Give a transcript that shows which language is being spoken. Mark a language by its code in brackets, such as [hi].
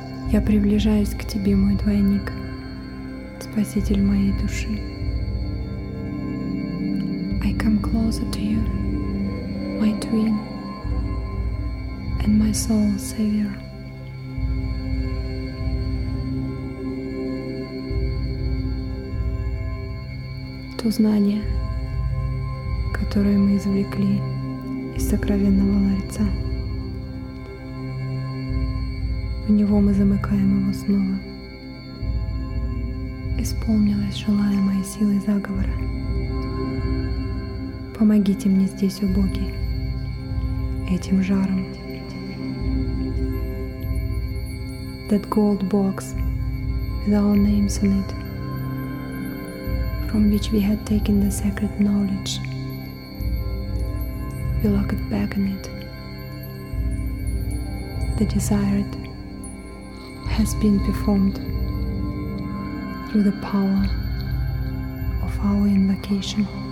[ru] Я приближаюсь к тебе, мой двойник, спаситель моей души. [en] I come closer to you, my twin, and my soul savior. [ru] То знание, которое мы извлекли из сокровенного ларца, в него мы замыкаем его снова. Исполнилась желаемая сила заговора. Помогите мне здесь, о боги, этим жаром. [en] That gold box with our names on it, from which we had taken the sacred knowledge, we lock it back in it. The desired has been performed through the power of our invocation.